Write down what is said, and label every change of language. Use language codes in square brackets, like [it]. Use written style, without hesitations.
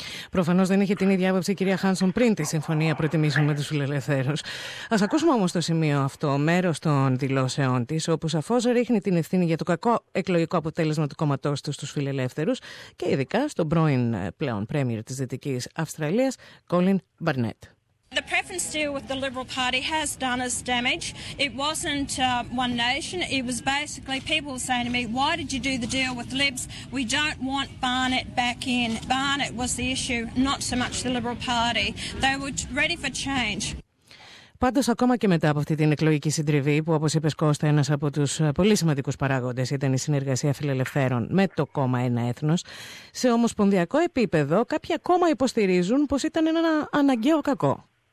[el] Προφανώς δεν είχε την ίδια άποψη η κυρία Χάνσον πριν τη συμφωνία προτιμήσεων με τους φιλελευθέρους. Ας ακούσουμε όμως το σημείο αυτό, μέρος των δηλώσεών της, όπου σαφώς ρίχνει την ευθύνη για το κακό εκλογικό αποτέλεσμα του κόμματός της στους φιλελεύθερους και ειδικά στον πρώην πλέον πρέμιερ της Δυτικής Αυστραλίας, Κόλιν Μπαρνέτ. [en] The preference deal with the Liberal Party has done us damage. It wasn't One Nation. It was basically people saying to me, why did you do the deal with Libs? We don't want Barnett back in. Barnett was the issue, not so much the Liberal Party. They were ready for change. [el] Πάντως, ακόμα και μετά από αυτή την εκλογική συντριβή, που όπως είπες Κώστα, ένας από τους πολύ σημαντικούς παράγοντες ήταν η συνεργασία φιλελευθέρων με το κόμμα Ένα Έθνος, σε ομοσπονδιακό επίπεδο κάποια ακόμα υποστηρίζουν πως ήταν ένα αναγκαίο κακό.